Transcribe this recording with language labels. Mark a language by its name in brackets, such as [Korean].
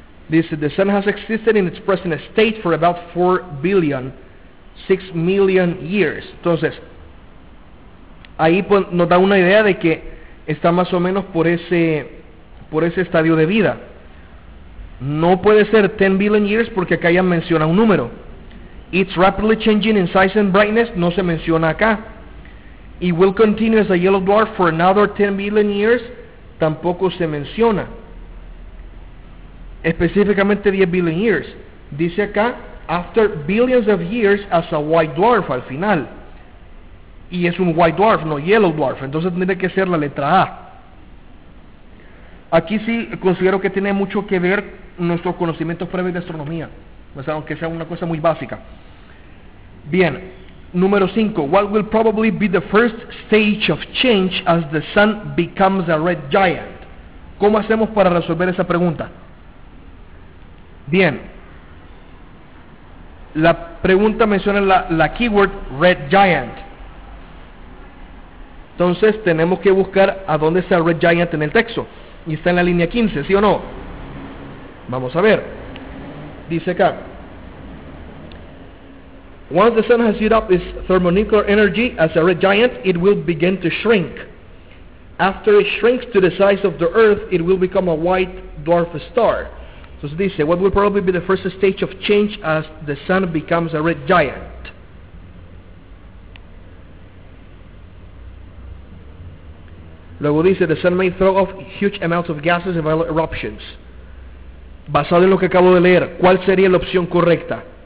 [English] Dice, the sun has existed in its present state for about 4 billion, 6 million years. [Spanish] Entonces, ahí nos da una idea de que está más o menos por ese estadio de vida. No puede ser [English] 10 billion years [Spanish] porque acá ya menciona un número. [English] It's rapidly changing in size and brightness, [Spanish] no se menciona acá. [English] It will continue as a yellow dwarf for another 10 billion years, [Spanish] tampoco se menciona. Específicamente [English] 10 billion years. [Spanish] Dice acá, [English] after billions of years as a white dwarf [Spanish] al final. Y es un white dwarf, no yellow dwarf. Entonces tendría que ser la letra A. Aquí sí considero que tiene mucho que ver nuestros conocimientos previos de astronomía. O sea, aunque sea una cosa muy básica. Bien, número 5. [English] What will probably be the first stage of change as the sun becomes a red giant? [Spanish] ¿Cómo hacemos para resolver esa pregunta? Bien, la pregunta menciona la keyword red giant. Entonces tenemos que buscar a dónde está red giant en el texto. Y está en la línea 15, ¿sí o no? Vamos a ver. Dice acá, [English] Once the sun has used up its thermonuclear energy as a red giant, it will begin to shrink. After it shrinks to the size of the Earth, it will become a white dwarf star. So dice, what will probably be the first stage of change as the sun becomes a red giant? Luego dice, the sun may throw off huge amounts of gases and violent eruptions. [Spanish] Basado en lo que acabo de leer, ¿cuál sería la opción correcta?